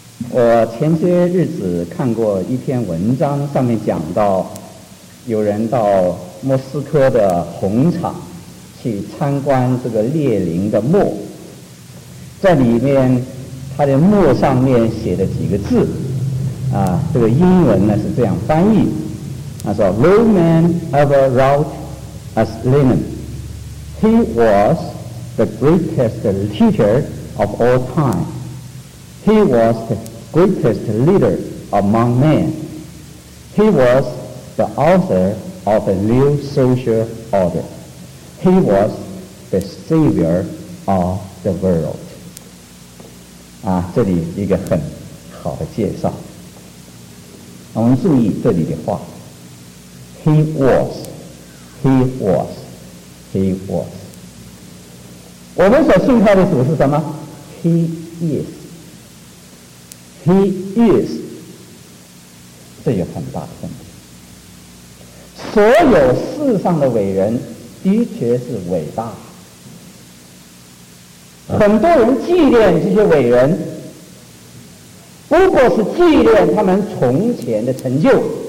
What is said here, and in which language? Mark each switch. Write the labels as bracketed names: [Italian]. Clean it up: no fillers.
[Chinese] 我前些日子看过一篇文章，上面讲到有人到莫斯科的红场去参观这个列宁的墓，在里面他的墓上面写的几个字啊，这个英文呢是这样翻译，他说 [English] No man ever wrought as Lenin, He was the greatest teacher of all time. He was theGreatest leader among men. He was the author of a new social order. He was the savior of the world. [Chinese] 啊，这里一个很好的介绍。我们注意这里的话。 [English] He was, he was, he was. [Chinese] 我们所信靠的主是什么？ [English] He is， He is， [Chinese] 这有很大的问题。所有世上的伟人的确是伟大，很多人纪念这些伟人不过是纪念他们从前的成就。